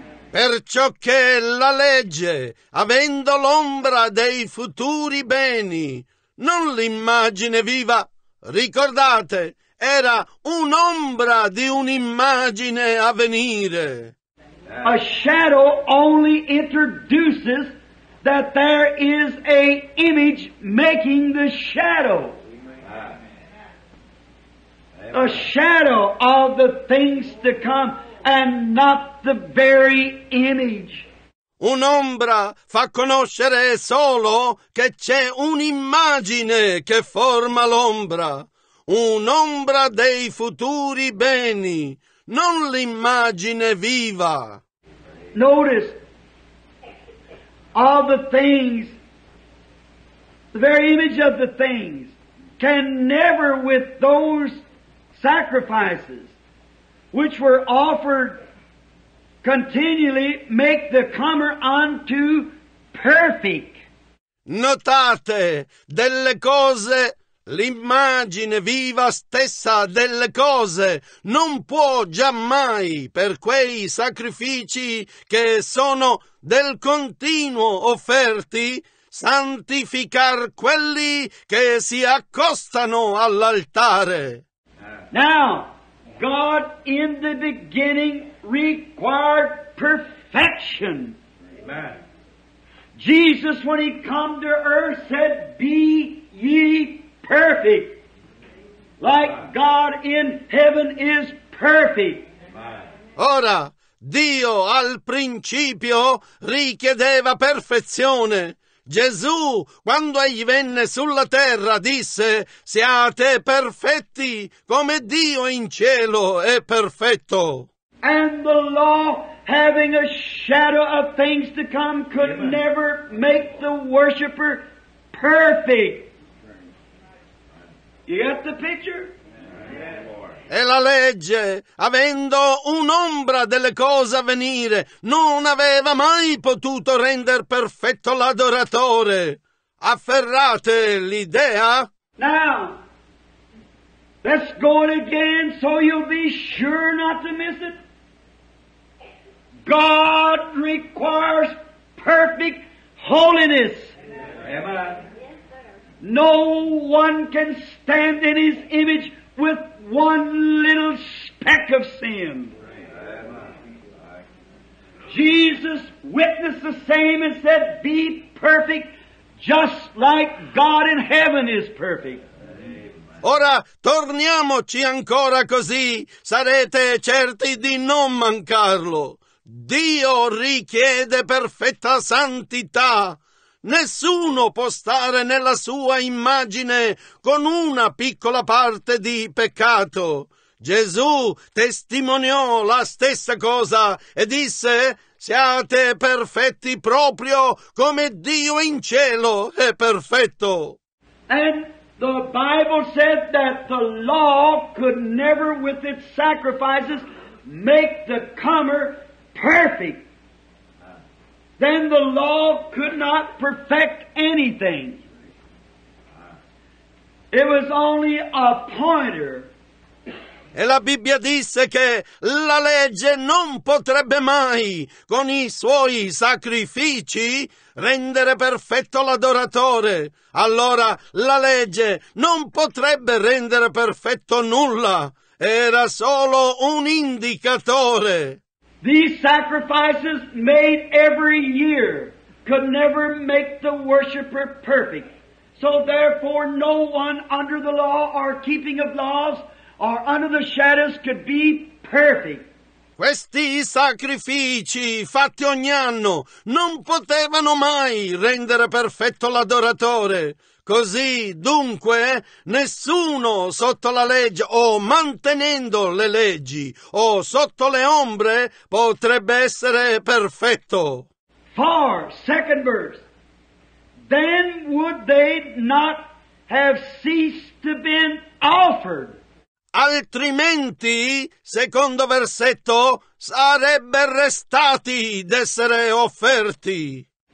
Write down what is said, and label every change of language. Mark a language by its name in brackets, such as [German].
[Italian] Perciò che la legge, avendo l'ombra dei futuri beni, non l'immagine viva, ricordate, era un'ombra di un'immagine a venire. [English] A shadow only introduces that there is a image making the shadow. A shadow of the things to come and not the very image. [Italian] Un'ombra fa conoscere solo che c'è un'immagine che forma l'ombra. Un'ombra dei futuri beni, non l'immagine viva. [English] Notice all the things, the very image of the things can never with those sacrifices which were offered continually make the comer unto perfect. [Italian] Notate delle cose. L'immagine viva stessa delle cose non può giammai, per quei sacrifici che sono del continuo offerti, santificar quelli che si accostano all'altare. [English] Now, God in the beginning required perfection. Amen. Jesus, when he came to earth, said, "Be ye perfect, like God in heaven is perfect." [Italian] Ora, Dio al principio richiedeva perfezione. Gesù, quando egli venne sulla terra, disse: "Siate perfetti come Dio in cielo è perfetto." [English] And the law, having a shadow of things to come, could Amen. Never make the worshiper perfect. You get the picture? Yeah. [Italian] E la legge, avendo un'ombra delle cose a venire, non aveva mai potuto render perfetto l'adoratore. Afferrate l'idea? [English] Now, let's go it again so you'll be sure not to miss it. God requires perfect holiness. Amen. Amen. No one can stand in his image with one little speck of sin. Jesus witnessed the same and said, "Be perfect just like God in heaven is perfect." [Italian] Ora torniamoci ancora così, sarete certi di non mancarlo. Dio richiede perfetta santità. Nessuno può stare nella sua immagine con una piccola parte di peccato. Gesù testimoniò la stessa cosa e disse: "Siate perfetti proprio come Dio in cielo è perfetto." [English] And the Bible said that the law could never with its sacrifices make the comer perfect. Then the law could not perfect anything. It was only a pointer. [Italian] E la Bibbia disse che la legge non potrebbe mai, con i suoi sacrifici, rendere perfetto l'adoratore. Allora la legge non potrebbe rendere perfetto nulla. Era solo un indicatore. [English] These sacrifices made every year could never make the worshiper perfect. So therefore no one under the law or keeping of laws or under the shadows could be perfect. [Italian] Questi sacrifici fatti ogni anno non potevano mai rendere perfetto l'adoratore. Così, dunque, nessuno sotto la legge o mantenendo le leggi o sotto le ombre potrebbe essere perfetto. [English] For, second verse, then would they not have ceased to be offered? [Italian] Altrimenti, secondo versetto, sarebbe restati d'essere offerti.